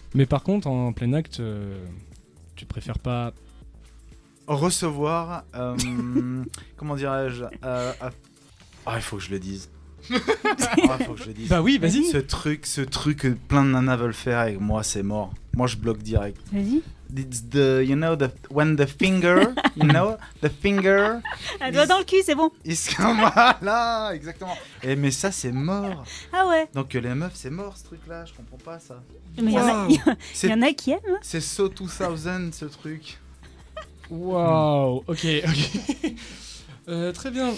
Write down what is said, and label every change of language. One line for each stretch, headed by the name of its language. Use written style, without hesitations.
French: Mais par contre, en plein acte, tu préfères pas. Recevoir, comment dirais-je, il faut que je le dise. Bah oui, vas-y. Ce truc que plein de nanas veulent faire avec moi, c'est mort. Moi, je bloque direct. Vas-y.
English: It's the, you know, the, when the finger, you know, the finger.
French: Un doigt dans le cul, c'est bon. Voilà, exactement. Et, mais ça, c'est mort. Ah ouais. Donc les meufs, c'est mort ce truc-là, je comprends pas ça. Mais wow. il y en a qui aiment. C'est so 2000 ce truc. Waouh, ok. Très bien.